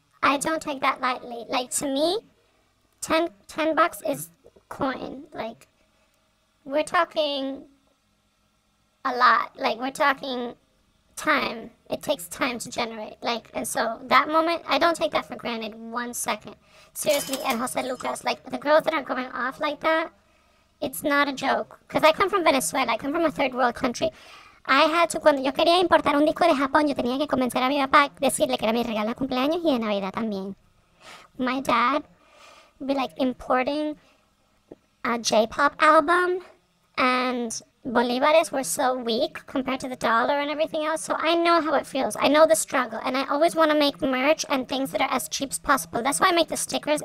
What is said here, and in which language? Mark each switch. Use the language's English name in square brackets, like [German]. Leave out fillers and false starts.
[English] I don't take that lightly. Like to me, 10 bucks is coin, like, we're talking a lot. Like, we're talking time. It takes time to generate. Like, and so that moment, I don't take that for granted 1 second. Seriously, and Jose Lucas, like, the girls that are going off like that, it's not a joke. Because I come from Venezuela. I come from a third world country. I had to, [Spanish] cuando yo quería importar un disco de Japón, yo tenía que convencer a mi papá, decirle que era mi regalo de cumpleaños y de Navidad también. [English] My dad be like importing a J-pop album, and Bolivares were so weak compared to the dollar and everything else. So I know how it feels. I know the struggle, and I always want to make merch and things that are as cheap as possible. That's why I make the stickers.